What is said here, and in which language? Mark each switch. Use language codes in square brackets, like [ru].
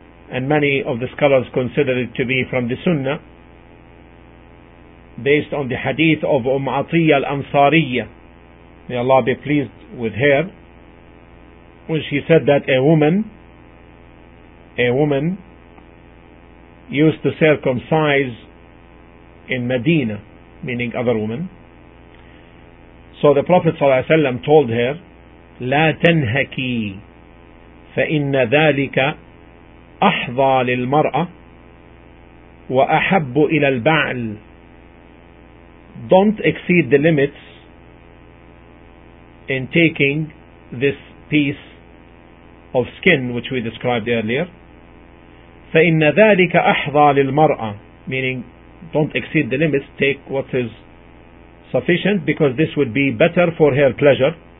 [en] and many of the scholars consider it to be from the Sunnah, based on the hadith of Atiyyah al-Ansariyyah, may Allah be pleased with her, when she said that a woman used to circumcise in Medina, meaning other women. So the Prophet ﷺ told her, [ar] لا تنهكي فإن ذلك أحظى للمرأة وأحب إلى البعل. [en] Don't exceed the limits in taking this piece of skin which we described earlier. [ar] فَإِنَّ ذَٰلِكَ أَحْضَى لِلْمَرْأَةِ, [en] meaning don't exceed the limits, take what is sufficient, because this would be better for her pleasure.